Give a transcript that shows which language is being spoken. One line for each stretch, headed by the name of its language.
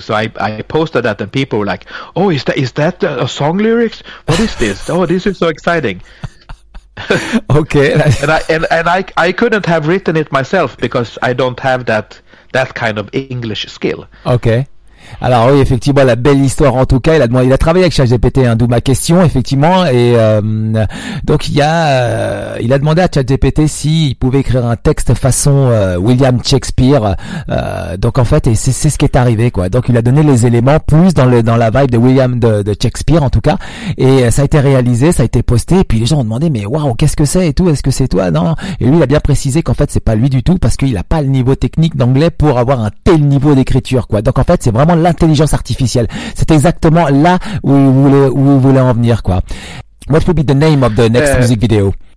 English: So I posted that, and people were like, "Oh, is that a song lyrics? What is this? Oh, this is so exciting." Okay. And I couldn't have written it myself, because I don't have that kind of English skill.
French: Okay. Alors oui, effectivement, la belle histoire en tout cas. Il a travaillé avec ChatGPT, hein, d'où ma question, effectivement. Et donc il a demandé à ChatGPT s'il pouvait écrire un texte façon William Shakespeare. Donc en fait, et c'est ce qui est arrivé, quoi. Donc il a donné les éléments plus dans la vibe de William de Shakespeare en tout cas. Et ça a été réalisé, ça a été posté. Et puis les gens ont demandé: mais waouh, qu'est-ce que c'est et tout, est-ce que c'est toi? Non. Et lui, il a bien précisé qu'en fait c'est pas lui du tout, parce qu'il a pas le niveau technique d'anglais pour avoir un tel niveau d'écriture, quoi. Donc en fait, c'est vraiment l'intelligence artificielle. C'est exactement là où vous voulez en venir, quoi.
English: What will be the name of the next music video?